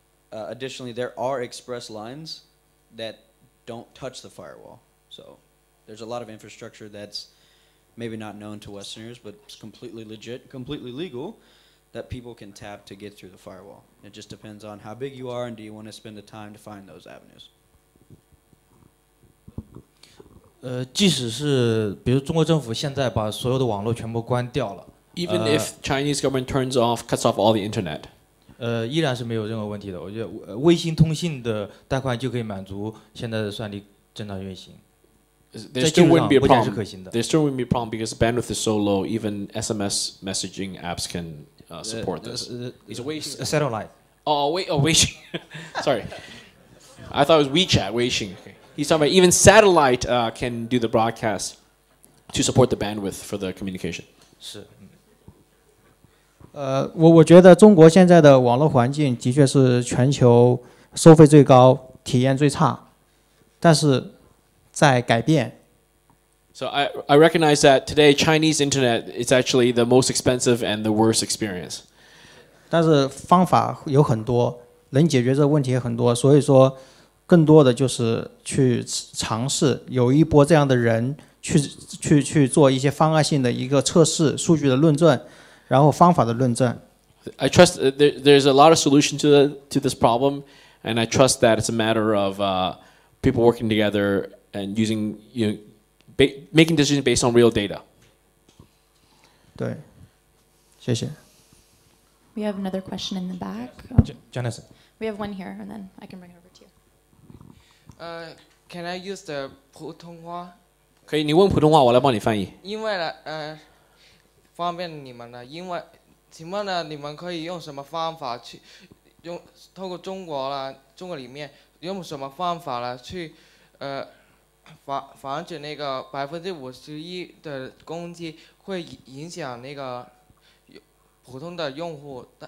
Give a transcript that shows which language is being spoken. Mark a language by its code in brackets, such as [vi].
[en] Additionally, there are express lines that don't touch the firewall. So there's a lot of infrastructure that's maybe not known to Westerners, but it's completely legit, completely legal, that people can tap to get through the firewall. It just depends on how big you are and do you want to spend the time to find those avenues. [zh] 即使是比如中国政府现在把所有的网络全部关掉了 [en] Even if Chinese government turns off, cuts off all the internet. [zh] 依然是没有任何问题的。我觉得卫星通信的带宽就可以满足现在的算力正常运行。 [en] There still wouldn't be a problem. There still wouldn't be a problem because bandwidth is so low. Even SMS messaging apps can support this. It's a Weixin satellite. Weixin. Sorry, I thought it was WeChat. Weixin. He's talking about even satellite can do the broadcast to support the bandwidth for the communication. [zh] 我觉得中国现在的网络环境的确是全球收费最高、体验最差，但是。在改变。 [en] So I recognize that today Chinese internet is actually the most expensive and the worst experience. [zh] 但是方法有很多，能解决这个问题很多，所以说更多的就是去尝试，有一波这样的人去做一些方案性的一个测试、数据的论证，然后方法的论证。 [en] I trust there's a lot of solution to this problem, and I trust that it's a matter of people working together. And using, you know, making decisions based on real data. [zh] 对，谢谢。 [en] We have another question in the back. Jonathan. We have one here, and then I can bring it over to you. Can I use the 普通话？ [zh] 可以，你问普通话，我来帮你翻译。因为呢，方便你们了。因为，请问呢，你们可以用什么方法去用透过中国啦，中国里面用什么方法呢去，防止那个51%的攻击会影响那个普通的用户？